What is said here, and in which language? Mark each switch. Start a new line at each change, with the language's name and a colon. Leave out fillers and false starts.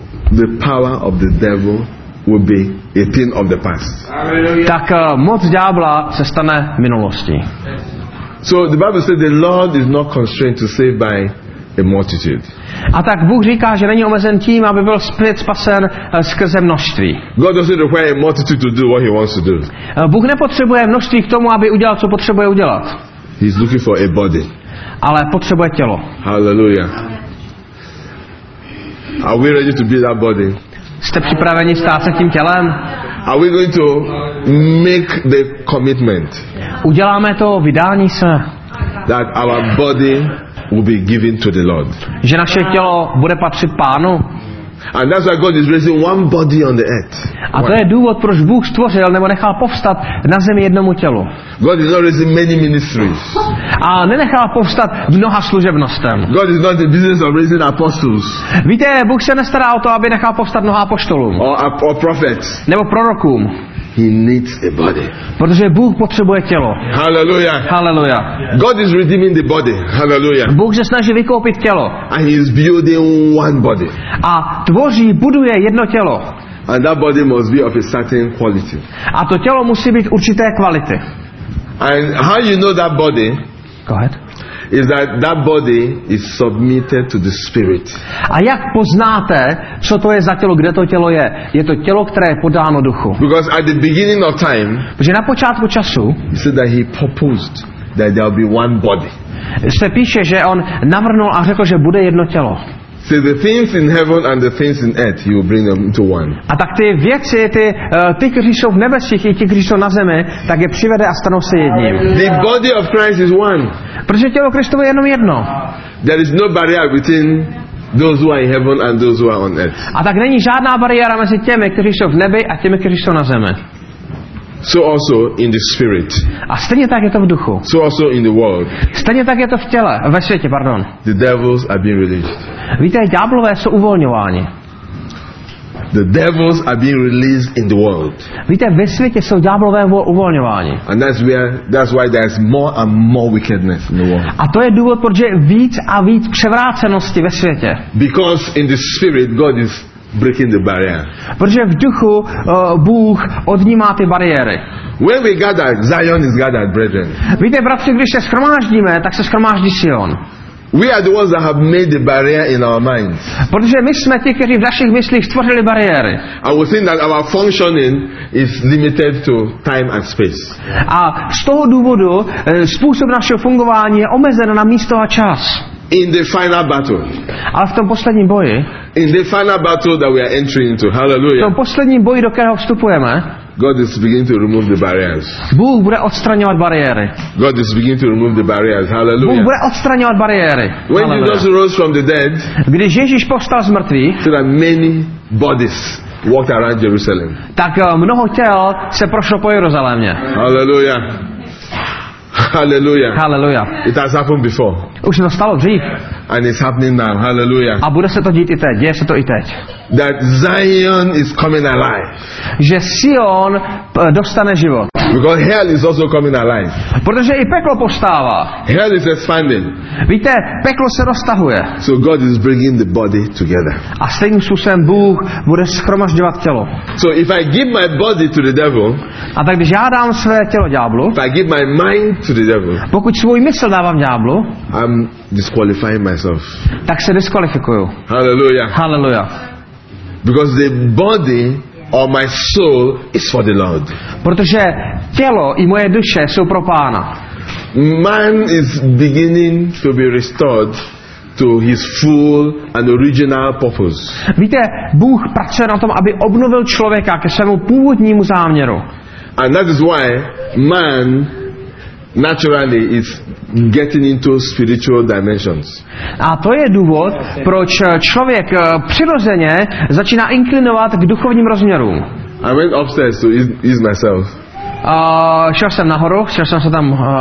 English: the power of the devil will be a thing of the past.
Czech: Tak moc ďábla se stane minulostí.
English: So the Bible says the Lord is not constrained to save by a multitude.
Czech: A tak Bůh říká, že není omezen tím, aby byl spasen skrze množství.
English: God doesn't require a multitude to do what he wants to do.
Czech: Bůh nepotřebuje množství k tomu, aby udělal, co potřebuje udělat.
English: He's looking for a body.
Czech: Ale potřebuje tělo.
English: Hallelujah. Are we ready to be that body?
Czech: Jste připraveni stát se tím tělem?
English: Are we going to make the commitment?
Czech: Uděláme to vydání se.
English: That our body will be given to the Lord.
Czech: Že naše tělo bude patřit Pánu.
English: And that's why God is raising one body on the earth.
Czech: A to je důvod, proč Bůh stvořil nebo nechal povstat na zemi jednomu tělu.
English: God is not raising many ministries.
Czech: A nenechal povstat mnoha služebnostem.
English: God is not in the business of raising apostles.
Czech: Víte, Bůh se nestará o to, aby nechal povstat mnoha apoštolům.
English: Or prophets.
Czech: Nebo prorokům.
English: He needs a body.
Czech: Protože Bůh potřebuje tělo.
English: Hallelujah. Hallelujah. God is redeeming the body. Hallelujah.
Czech: Bůh se snaží vykoupit tělo.
English: And he is building one body.
Czech: A tvoří, buduje jedno tělo.
English: And that body must be of a certain quality.
Czech: A to tělo musí být určité kvality.
English: And how you know that body? Go ahead. is that that body is submitted to the spirit.
Czech: A jak poznáte, co to je za tělo, kde to tělo je? Je to tělo, které je podáno duchu.
English: Because at the beginning of time,
Czech: protože na počátku času,
English: he said that he proposed that there will be one body.
Czech: Se píše, že on navrhnul a řekl, že bude jedno tělo.
English: So the things in heaven and the things in earth, he will bring them into one.
Czech: A tak ty věci, ty, kteří jsou v nebesích, i ty, kteří jsou na zemi, tak je přivede a stanou se jedním.
English: The body of Christ is one.
Czech: Protože tělo Kristovo je jenom jedno.
English: There is no barrier between those who are in heaven and those who are on earth.
Czech: A tak není žádná bariéra mezi těmi, kteří jsou v nebi, a těmi, kteří jsou na zemi.
English: So also in the spirit.
Czech: A stejně tak je to v duchu.
English: So also in the world.
Czech: Stejně tak je to v těle, ve světě, pardon.
English: The devils are being released.
Czech: Víte, ďáblové jsou uvolňováni.
English: The devils are being released in the world.
Czech: Víte, ve světě jsou ďáblové uvolňováni.
English: And that's why there's more and more wickedness in the world.
Czech: A to je důvod, proč je víc a víc převrácenosti ve světě.
English: Because in the spirit God is breaking the barrier.
Czech: Protože v duchu Bůh odnímá ty bariéry.
English: When we gather, Zion is gathered, brethren.
Czech: Víte, bratři, když se shromáždíme, tak se shromáždí Sion.
English: We are the ones that have made the barrier in our minds.
Czech: Protože my jsme ti, kteří v našich myslích stvořili bariéry.
English: And we think that our functioning is limited to time and space.
Czech: A z toho důvodu způsob našeho fungování je omezen na místo a čas.
English: In the final battle.
Czech: Ale v tom posledním boji.
English: In the final battle that we are entering into. Hallelujah.
Czech: V tom posledním boji, do kterého vstupujeme.
English: God is beginning to remove the barriers.
Czech: Bůh bude odstraňovat bariéry.
English: God is beginning to remove the barriers. Hallelujah.
Czech: Bůh bude odstraňovat bariéry.
English: When Jesus rose from the dead.
Czech: Když Ježíš povstal z mrtvých.
English: There are many bodies walked around Jerusalem.
Czech: Tak mnoho těl se prošlo po Jeruzalémě.
English: Hallelujah. Hallelujah. Hallelujah. It has happened before.
Czech: Už se to stalo dřív.
English: And it's happening now. Hallelujah.
Czech: A bude se to dít i teď. Děje se to i teď.
English: That Zion is coming alive.
Czech: Že Sion dostane život.
English: Because hell is also coming alive.
Czech: Protože i peklo povstává.
English: Hell is expanding.
Czech: Víte, peklo se roztahuje.
English: So God is bringing the body together.
Czech: A stejným způsobem Bůh bude shromažďovat tělo.
English: So if I give my body to the devil.
Czech: A tak když já dám své tělo ďáblu.
English: If I give my mind to the devil.
Czech: Pokud svůj mysl dávám ďáblu.
English: I'm disqualifying myself.
Czech: Tak se diskvalifikuju.
English: Hallelujah. Hallelujah. Because the body or my soul is for the Lord.
Czech: Protože tělo i moje duše jsou pro Pána.
English: Man is beginning to be restored to his full and original purpose.
Czech: Víte, Bůh pracuje na tom, aby obnovil člověka ke svému původnímu záměru.
English: And that is why man naturally is getting into spiritual dimensions.
Czech: A to je důvod, proč člověk přirozeně začíná inklinovat k duchovním rozměrům.
English: I went upstairs to ease myself.
Czech: Šel jsem nahoru, šel jsem se tam.